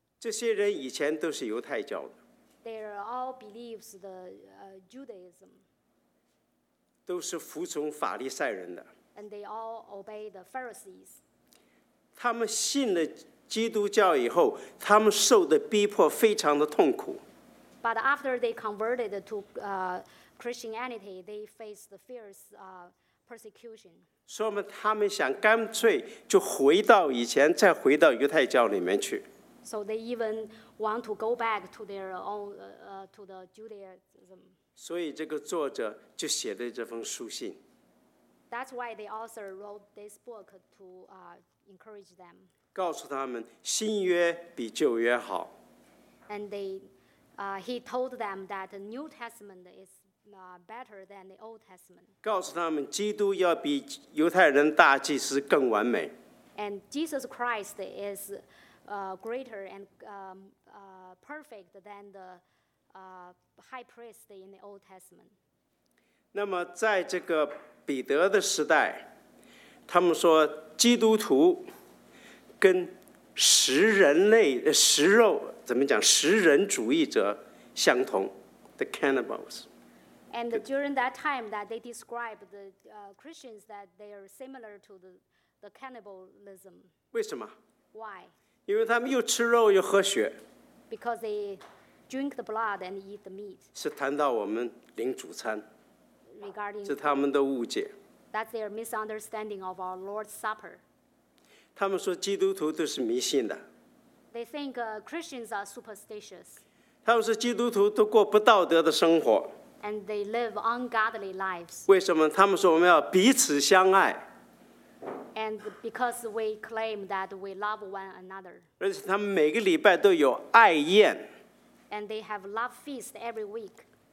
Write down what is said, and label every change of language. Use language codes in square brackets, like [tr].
[zh] 这些人以前都是犹太教的。 [en] They are all believes the Judaism. [zh] 都是服从法利赛人的。 [en] And they all obey the Pharisees. [zh] 他们信了基督教以后，他们受的逼迫非常的痛苦。 [en] But after they converted to Christianity, they faced the fierce persecution. [zh] 所以他们想干脆就回到以前，再回到犹太教里面去。 [en] So they even want to go back to their own, to the Judaism. [zh] 所以这个作者就写了这封书信。 [en] That's why the author wrote this book to encourage them. [zh] 告诉他们新约比旧约好。 [en] And they, he told them that the New Testament is better than the Old Testament. [zh] 告诉他们基督要比犹太人大祭司更完美。 [en] And Jesus Christ is greater and perfect than the High priest in the Old Testament. [zh] 那么在这个彼得的时代，他们说基督徒跟食人类的食肉，怎么讲？食人主义者相同 ， [en] the cannibals. And during that time, that they describe the Christians that they are similar to the cannibalism. [zh] 为什么 [en] ？Why? [zh] 因为他们又吃肉又喝血。 [en] Because they drink the blood and eat the meat. [zh] 是谈到我们领主餐。 [en] Regarding [zh] 是他们的误解。 [en] That's their misunderstanding of our Lord's Supper. [zh] 他们说基督徒都是迷信的。 [en] They think Christians are superstitious. [zh] 他们说基督徒都过不道德的生活。 [en] And they live ungodly lives. [zh] 为什么？他们说我们要彼此相爱。 [en] And because we claim that we love one another. [zh] 而且他们每个礼拜都有爱宴。 [en] And they have love feast every week.